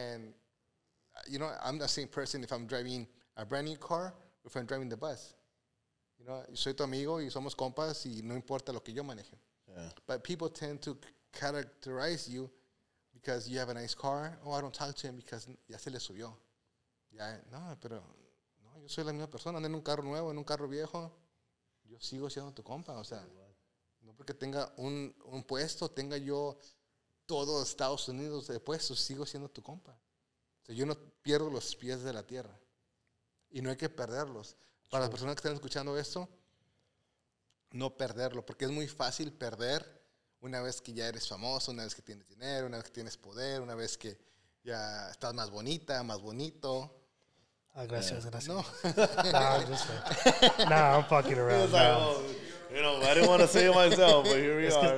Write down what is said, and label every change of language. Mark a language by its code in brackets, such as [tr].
[en] And, you know, I'm the same person if I'm driving a brand new car or if I'm driving the bus. You know, [es] soy tu amigo y somos compas y no importa lo que yo maneje. [en] Yeah. But people tend to characterize you because you have a nice car. Oh, I don't talk to him because [es] ya se le subió. [en] Yeah, [es] no, pero no, yo soy la misma persona. Ando en un carro nuevo, en un carro viejo. Yo sigo siendo tu compa, o sea. No porque tenga un puesto, tenga yo todo Estados Unidos de puesto, sigo siendo tu compa. O sea, yo no pierdo los pies de la tierra. Y no hay que perderlos. Para las personas que están escuchando esto, no perderlo. Porque es muy fácil perder una vez que ya eres famoso, una vez que tienes dinero, una vez que tienes poder, una vez que ya estás más bonita, más bonito. Ah, gracias, gracias. No. [en] Nah, I'm just like, nah, I'm fucking around. Like, nah. Oh, you know, I didn't want to say it myself, but here we are.